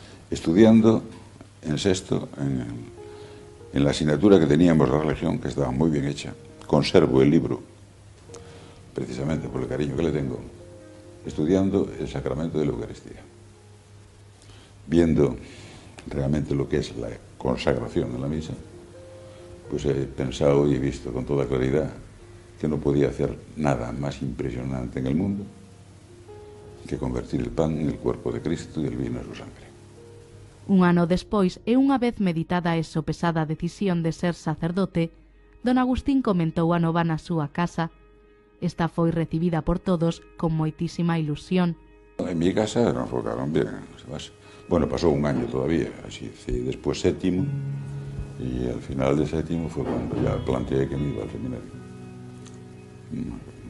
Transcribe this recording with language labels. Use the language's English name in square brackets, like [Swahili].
[Spanish] Estudiando en sexto, en la asignatura que teníamos de religión, que estaba muy bien hecha, conservo el libro, precisamente por el cariño que le tengo, estudiando el sacramento de la Eucaristía, viendo realmente lo que es la consagración de la misa, pues he pensado y he visto con toda claridad que no podía hacer nada más impresionante en el mundo que convertir el pan en el cuerpo de Cristo y el vino en su sangre. [Galician] Un ano despois e unha vez meditada e sopesada decisión de ser sacerdote, don Agustín comentou a novena a súa casa. Esta foi recibida por todos con moitísima ilusión. [Spanish] En mi casa nos enfocaron bien. Bueno, pasou un año todavía, así, [Galician] despois séptimo, [Spanish] y al final de séptimo fue cuando ya planteé que me iba al seminario. No.